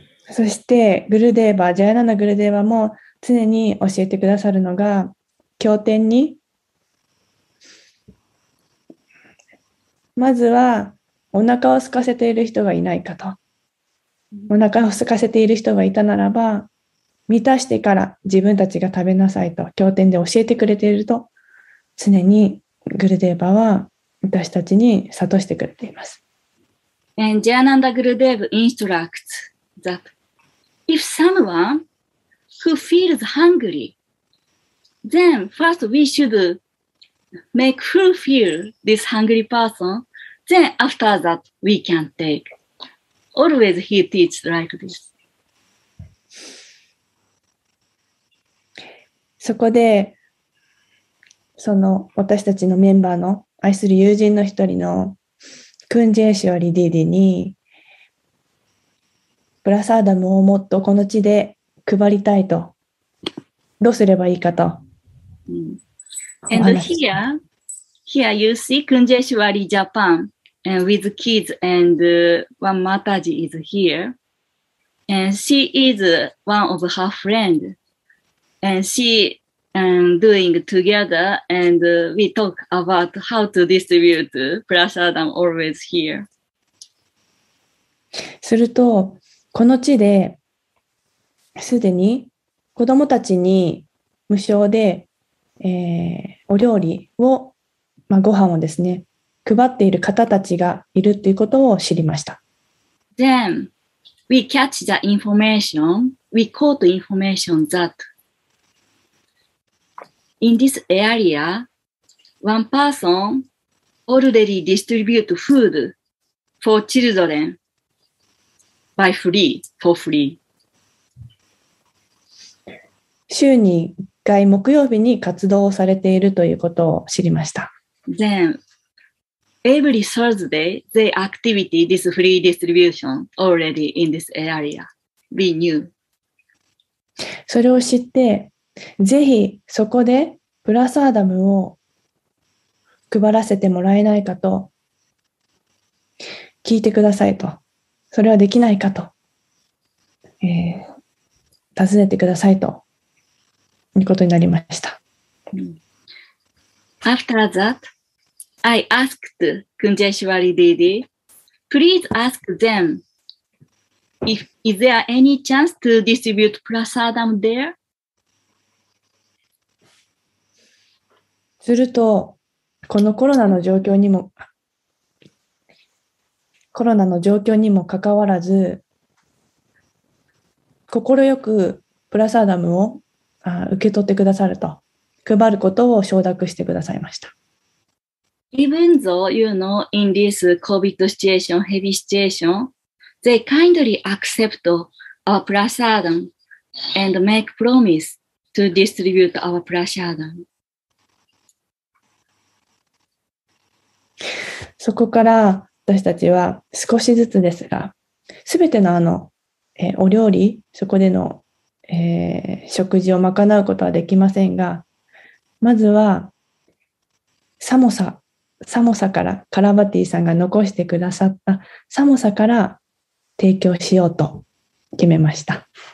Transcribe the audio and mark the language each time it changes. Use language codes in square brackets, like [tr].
[ja] そしてグルデーバ、ジャヤナナグルデーバも常に教えてくださるのが、経典にまずはお腹を空かせている人がいないかと。お腹を空かせている人がいたならば満たしてから自分たちが食べなさいと経典で教えてくれていると、常にグルデーバは私たちに諭してくれています。 [en] And ジャヤナナグルデーブinstructs thatIf someone who feels hungry, then first we should make who feel this hungry person, then after that we can take. Always he teaches like this. [ja] そこで、その私たちのメンバーの愛する友人の一人のクンジェーシオリディディに、プラサーダムをもっとこの地で配りたいと、どうすればいいかと。 [en] And here you see Kunjeshwari Japan and with kids and one Mataji is here. And she is one of her friends. And she doing together and we talk about how to distribute Prasadam always here. [ja] すると、この地ですでに子どもたちに無償で、お料理を、まあ、ご飯をですね、配っている方たちがいるということを知りました。 [en] Then we catch the information, we caught information that in this area, one person already distribute food for children. by free, for free. [ja] 週に1回木曜日に活動をされているということを知りました。 [en] Then, every Thursday, the activity, this free distribution already in this area, we knew. [ja] それを知って、ぜひそこでプラスアダムを配らせてもらえないかと聞いてくださいと、それはできないかと、尋ねてくださいということになりました。 [en] After that, I asked Kunjeshwari Didi, please ask them if is there any chance to distribute prasadam there? [ja] すると、このコロナの状況にも、コロナの状況にもかかわらず、心よくプラサーダムを受け取ってくださると、配ることを承諾してくださいました。 [en] Even though you know in this COVID situation, heavy situation, they kindly accept our prasadam and make promise to distribute our prasadam. [ja] そこから私たちは少しずつですが、すべての、お料理、そこでの、食事を賄うことはできませんが、まずはサモサからカラバティさんが残してくださったサモサから提供しようと決めました。